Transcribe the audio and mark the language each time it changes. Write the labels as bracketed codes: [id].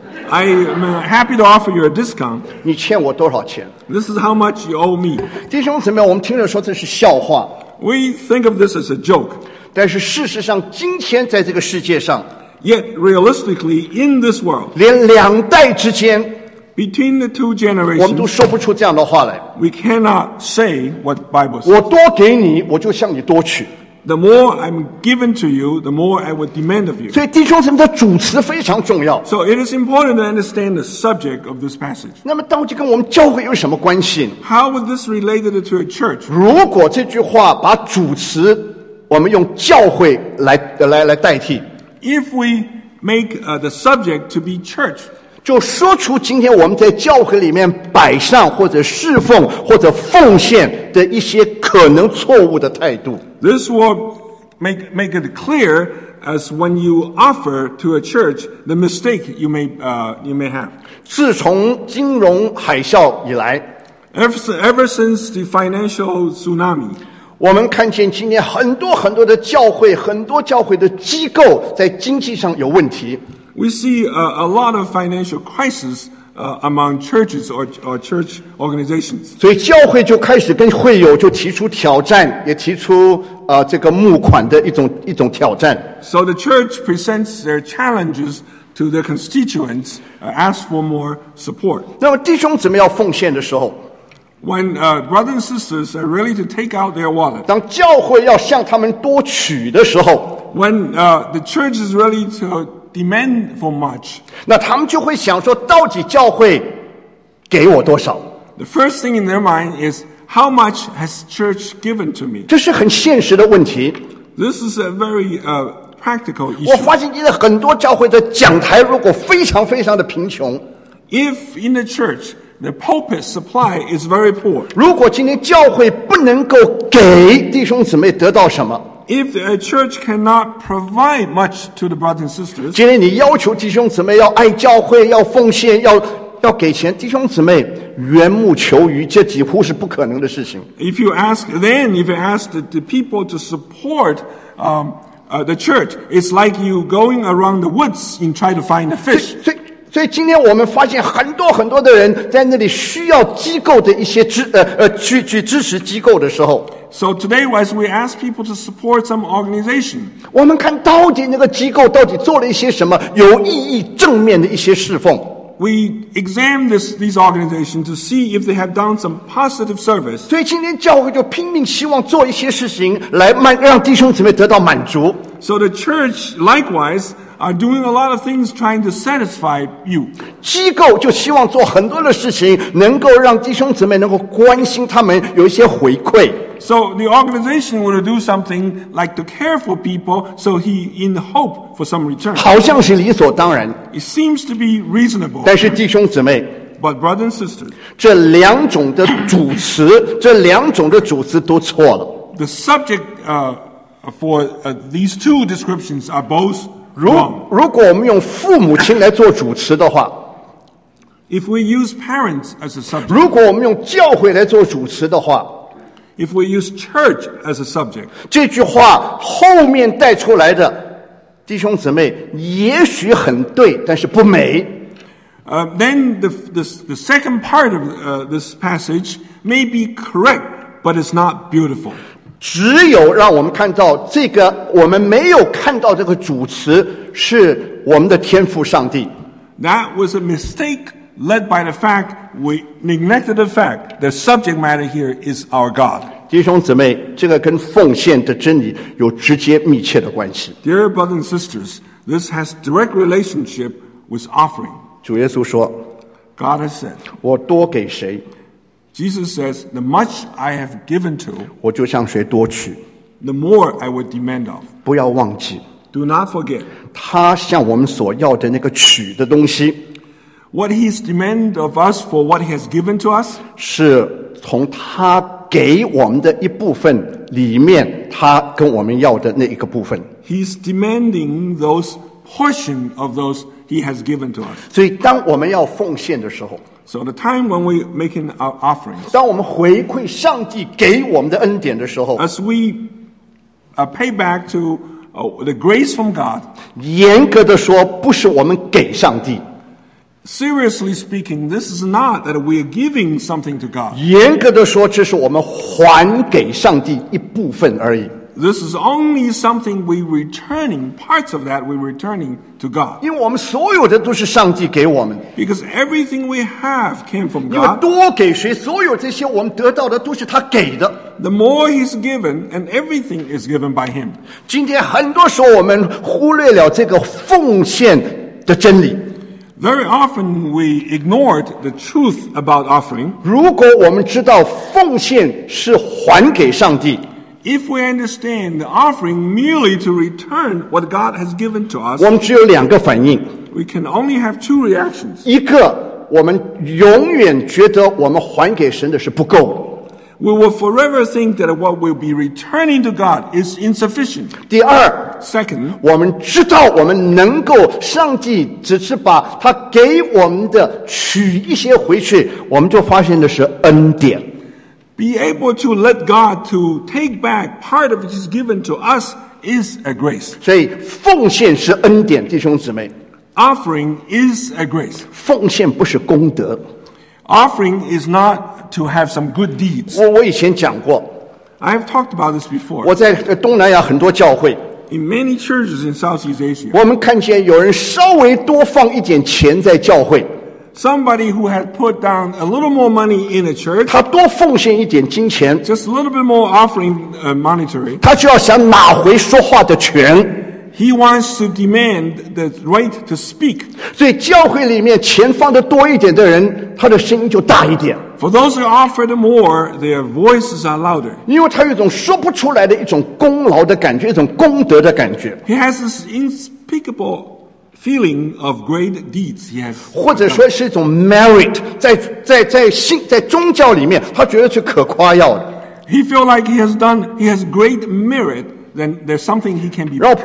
[en] I am happy to offer you a discount [zh] 你欠我多少钱 [en] This is how much you owe me. [zh] 弟兄姊妹，我们听着说这是笑话。 [en] We think of this as a joke. [zh] 但是事实上，今天在这个世界上 [en] ，Yet realistically in this world， [zh] 连两代之间 [en] ，between the two generations， [zh] 我们都说不出这样的话来。 [en] We cannot say what the Bible says. [zh] 我多给你，我就向你多取。 [en] The more I'm given to you, the more I would demand of you. [zh] 所以弟兄姊妹的主词非常重要。 [en] So it is important to understand the subject of this passage. [zh] 那么到底跟我们教会有什么关系呢 [en] ？How would this relate to a church? [zh] 如果这句话把主词我们用教会来代替 [en] ，If we make the subject to be church, [zh] 就说出今天我们在教会里面摆上或者侍奉或者奉献的一些可能错误的态度。 [en] This will make it clear as when you offer to a church the mistake you may have. [zh] 自从金融海啸以来 [en] ，ever since the financial tsunami。 [zh] 我们看见今年很多很多的教会，很多教会的机构在经济上有问题。 [en] We see a lot of financial crisis among churches or church organizations. [zh] 所以教会就开始跟会友就提出挑战，也提出这个募款的一种挑战。 [en] So the church presents their challenges to their constituents, ask for more support. [zh] 那么弟兄姊妹要奉献的时候。 [en] When brothers and sisters are ready to take out their wallet, [zh] 当教会要向他们多取的时候 [en] ，When the church is ready to demand for much, [zh] 那他们就会想说，到底教会给我多少 [en] ？The first thing in their mind is how much has church given to me? [zh] 这是很现实的问题。 [en] This is a very practical issue. [zh] 我发现现在很多教会的讲台如果非常非常的贫穷 [en] ，If in the church. The pulpit supply is very poor. [zh] 如果今天教会不能够给弟兄姊妹得到什么 [en] ？If a church cannot provide much to the brothers and sisters, [zh] 今天你要求弟兄姊妹要爱教会、要奉献、要给钱，弟兄姊妹缘木求鱼，这几乎是不可能的事情。 [en] If you ask, then if you ask the people to support, the church, it's like you going around the woods and try to find a fish. [zh] 所以今天我们发现很多很多的人在那里需要机构的一些去支持机构的时候。 [en] So today, as we ask people to support some organization, [zh] 我们看到底那个机构到底做了一些什么有意义正面的一些侍奉。 [en] We examine these organizations to see if they have done some positive service. [zh] 所以今天教会就拼命希望做一些事情来让弟兄姊妹得到满足。 [en] So the church likewise. Are doing a lot of things trying to satisfy you. [zh] 机构就希望做很多的事情，能够让弟兄姊妹能够关心他们，有一些回馈。 [en] So the organization would do something like to care for people, so he in hope for some return. [zh] 好像是理所当然。 [en] It seems to be reasonable. [zh] 但是弟兄姊妹 [en] ，But brothers and sisters, [zh] 这两种的主词，这两种的主词都错了。 [en] The subject for these two descriptions are both. [zh] 如果我们用父母亲来做主持的话 [en] ，If we use parents as a subject， [zh] 如果我们用教会来做主持的话 [en] ，If we use church as a subject， [zh] 这句话后面带出来的弟兄姊妹也许很对，但是不美。 [en] Then the second part of this passage may be correct， but it's not beautiful。 [zh] 只有让我们看到这个我们没有看到这个主词是我们的天父上帝。 [en] That was a mistake led by the fact we neglected the fact the subject matter here is our God. [zh] 弟兄姊妹，这个跟奉献的真理有直接密切的关系。 [en] Dear brothers and sisters, this has direct relationship with offering. [zh] 主耶稣说 [en] ，God has said, [zh] 我多给谁？ [en] Jesus says, "The much I have given to, [zh] 我就向谁多取 [en] the more I would demand of." [zh] 不要忘记 [en] do not forget. [zh] 他向我们所要的那个取的东西 [en] what he has demanded of us for what he has given to us, [zh] 是从他给我们的一部分里面，他跟我们要的那一个部分 [en] he is demanding those portion of those he has given to us. [zh] 所以当我们要奉献的时候。 [en] So the time when we making our offerings, [zh] 当我们回馈上帝给我们的恩典的时候 [en] ，as we pay back to the grace from God, [zh] 严格的说，不是我们给上帝。 [en] Seriously speaking, this is not that we are giving something to God. [zh] 严格的说，这是我们还给上帝一部分而已。 [en] This is only something we returning, parts of that we returning to God. [zh] 因为我们所有的都是上帝给我们。 [en] Because everything we have came from God. [zh] 因为多给谁，所有这些我们得到的都是他给的。 [en] The more he's given, and everything is given by him. [zh] 今天很多时候我们忽略了这个奉献的真理。 [en] Very often we ignored the truth about offering. [zh] 如果我们知道奉献是还给上帝。 [en] If we understand the offering merely to return what God has given to us, [zh] 我们只有两个反应。 [en] We can only have two reactions. [zh] 一个，我们永远觉得我们还给神的是不够。 [en] We will forever think that what we'll be returning to God is insufficient. [zh] 第二 [en] ，second， [zh] 我们知道我们能够，上帝只是把他给我们的取一些回去，我们就发现的是恩典。 [en] Be able to let God to take back part of what is given to us is a grace. [zh] 所以奉献是恩典，弟兄姊妹。 [en] Offering is a grace. [zh] 奉献不是功德。 [en] Offering is not to have some good deeds. [zh] 我以前讲过。 [en] I have talked about this before. [zh] 我在东南亚很多教会。 [en] In many churches in Southeast Asia. [zh] 我们看见有人稍微多放一点钱在教会。 [en] Somebody who had put down a little more money in a church, [zh] 他多奉献一点金钱, [en] just a little bit more offering monetary, [zh] 他就要想拿回说话的权。 [en] He wants to demand the right to speak. [zh] 所以教会里面钱放得多一点的人，他的声音就大一点。 [en] For those who offered more, their voices are louder. [zh] 因为他有一种说不出来的一种功劳的感觉，一种功德的感觉。 [en] He has this inexplicable. Feeling of great deeds, yes. [zh] 或者说是一种 merit, 在宗教里面，他觉得是可夸耀的。 [en] He feel like he has done, he has great merit, then there's something he can be proud of.